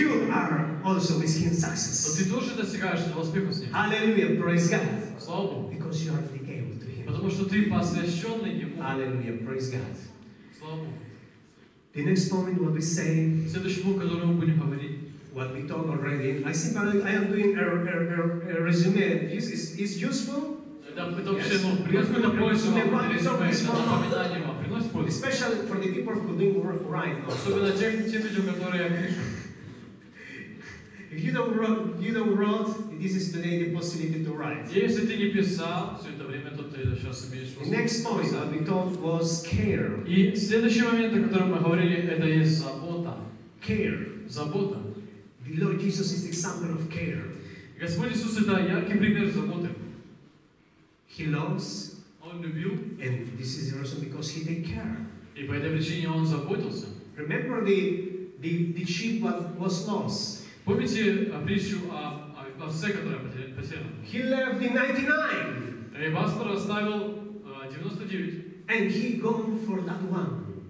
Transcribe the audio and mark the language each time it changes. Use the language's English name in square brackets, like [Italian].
[English] you are also with him success. [Russian] То ты тоже достигаешь этого успеха с ним. [English] Hallelujah, praise God. [Russian] Слава Богу. [English] Because you are dedicated to him. [Russian] Потому что ты посвященный ему. [English] Hallelujah, praise God. [Russian] Слава Богу. [English] The next moment what we say, [Russian] следующий пункт, который мы будем говорить, [English] what we talk already, I think I am doing a resume. This is useful. Especially for the people who doing work right now. [Russian] Особенно тем людям, которые я пишу. [English] If you don't write, this is today the possibility to write. [Russian] Если ты не писал все это время, то ты сейчас имеешь [English] возможность. Next point that we talked was care. [Russian] И следующий момент, о котором мы говорили, это есть забота. [English] Care. [Russian] Забота. [English] The Lord Jesus is the example of care. [Russian] Господь Иисус это яркий пример заботы. [English] He loves. [Russian] Он любил. [English] And this is the reason because he take care. [Russian] И по этой причине он заботился. [English] Remember the sheep was lost. [Russian] Помните притчу о овце, которая потеряна? [English] He left the 99. [Russian] И пастор оставил 99. [English] And he gone for that one.